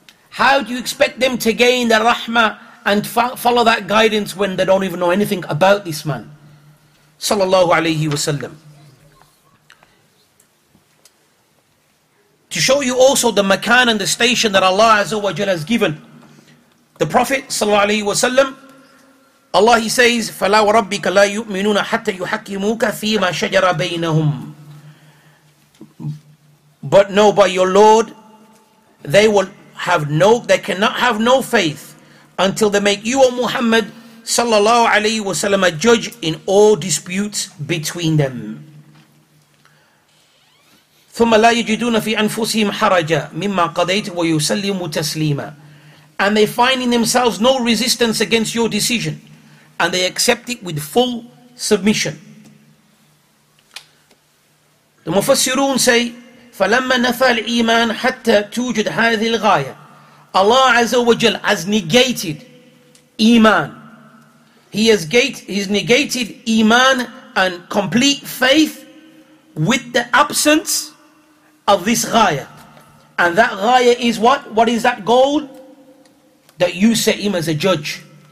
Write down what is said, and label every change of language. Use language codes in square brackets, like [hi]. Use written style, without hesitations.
[en] How do you expect them to gain the rahmah and follow that guidance when they don't even know anything about this man sallallahu alayhi wa sallam? To show you also the makan and the station that Allah Azza wa Jalla has given The Prophet sallallahu alaihi wasallam, Allah, he says, [ar] فَلَا وَرَبِّكَ لَا يُؤْمِنُونَ حَتَّى يُحَكِّمُوكَ فِي مَا شَجَرَ بَيْنَهُمْ. [en] But no, by your Lord, they will have no, they cannot have no faith until they make you, O Muhammad sallallahu alaihi wasallam, a judge in all disputes between them. [ar] ثُمَّ لَا يَجِدُونَ فِي أَنفُسِهِمْ حَرَجًا مِمَّا قَضَيْتُ وَيُسَلِّمُ تَسْلِيمًا. [en] And they find in themselves no resistance against your decision, and they accept it with full submission. The Mufassirun say, [ar] فَلَمَّا نَفَى الْإِيمَانِ حَتَّى تُوجُدْ هَذِهِ الْغَايَةِ. [en] Allah Azza wa Jal has negated Iman. He has negated Iman and complete faith with the absence of this Ghaya. And that Ghaya is what? What is that goal? That you set him as a judge.